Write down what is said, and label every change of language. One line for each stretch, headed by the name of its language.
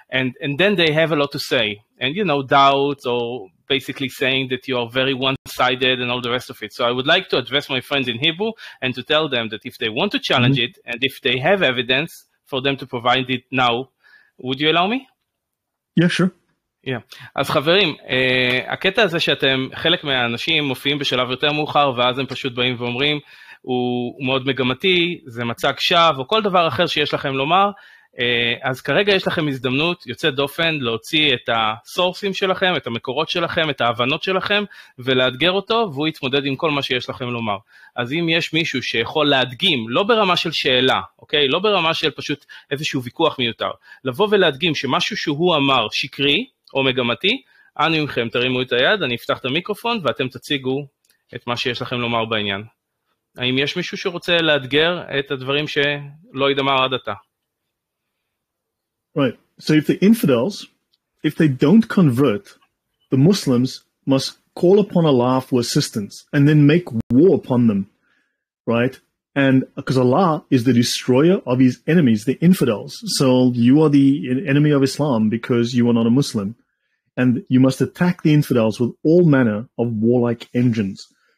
English: And then they have a lot to say. And, you know, doubts or basically saying that you are very one-sided and all the rest of it. So I would like to address my friends in Hebrew and to tell them that if they want to challenge it and if they have evidence for them to provide it now, would you allow me? Yeah, sure. Yeah.
Hebrew: אז חברים, הקטע הזה שאתם חלק מהאנשים מופיעים בשלב יותר מאוחר ואז הם פשוט באים ואומרים הוא מאוד מגמתי, זה מצג שווא או כל דבר אחר שיש לכם לומר, אז כרגע יש לכם הזדמנות יוצאת דופן להוציא את הסורסים שלכם, את המקורות שלכם, את ההבנות שלכם ולאתגר אותו והוא יתמודד עם כל מה שיש לכם לומר. אז אם יש מישהו שיכול להדגים, לא ברמה של שאלה, אוקיי? לא ברמה של פשוט איזשהו ויכוח מיותר, לבוא ולהדגים שמשהו שהוא אמר שקרי או מגמתי, אנו עםכם, תרימו את היד, אני אפתח את המיקרופון ואתם תציגו את מה שיש לכם לומר בעניין. האם יש מישהו שרוצה לאתגר את הדברים שלא ידמר עד אתה?
English: Right, so if the infidels, if they don't convert, the Muslims must call upon Allah for assistance and then make war upon them, right? And because Allah is the destroyer of his enemies, the infidels, so you are the enemy of Islam because you are not a Muslim, and you must attack the infidels with all manner of warlike engines.